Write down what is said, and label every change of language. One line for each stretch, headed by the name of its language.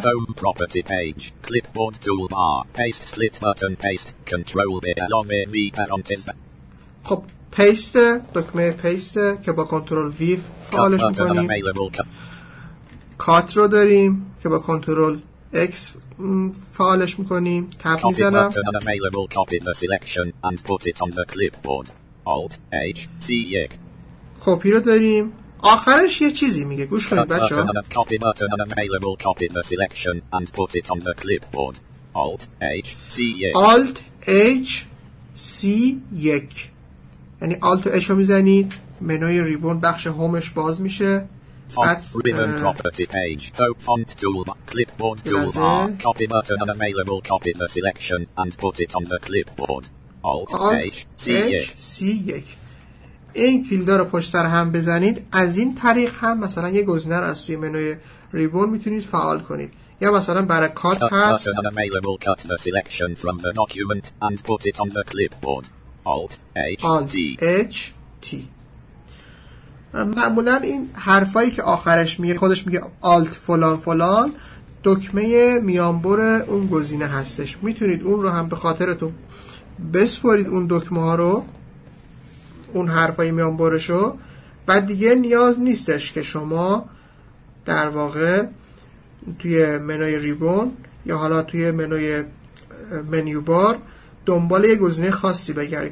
English: Home property page, clipboard toolbar, paste split button paste, control below V parentheses.
Persian: خب پیست، دکمه پیست که با کنترل V فعالش می‌کنیم. کات رو داریم که با کنترل X فعالش می‌کنیم. تپ می‌زنم.
English: Copy button unavailable. Copy the selection and put it on the clipboard. Alt H C Y.
Persian: کپی رو داریم. آخرش یه چیزی میگه. گوش کنید بچه‌ها.
English: Copy button unavailable. Copy the selection and put it on the clipboard. Alt H C Y. Alt H C Y.
Persian: یعنی Alt و H رو میزنید، منوی ریبون بخش هومش باز میشه.
English: Font ribbon property page. Oh, font toolbar. Clipboard toolbar. Copy button unavailable. Copy the selection and put it on the clipboard. Alt H C Y.
Persian: این کلیدا رو پشت سر هم بزنید، از این طریق هم مثلا یه گزینه رو از توی منوی ریبون میتونید فعال کنید. یا مثلا برای کات هست.
English: Cut unavailable. Cut the selection from the document and put it on the clipboard. Alt H T.
Persian: معمولا این حرفایی که آخرش میگه، خودش میگه Alt فلان فلان، دکمه میانبر اون گزینه هستش. میتونید اون رو هم به خاطرتون بسپارید، اون دکمه ها رو، اون حرفای میانبرشو، و دیگه نیاز نیستش که شما در واقع توی منوی ریبون یا حالا توی منوی منیو بار دنبال یه گزینه خاصی بگردید.